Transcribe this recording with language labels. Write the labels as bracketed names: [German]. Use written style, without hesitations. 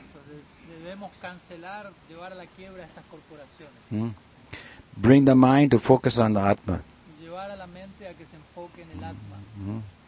[Spanish] Entonces, debemos cancelar, llevar a la quiebra estas corporaciones. [English] Bring the mind to focus on the Atma. [Spanish] Llevar a la mente a que se enfoque en el Atma.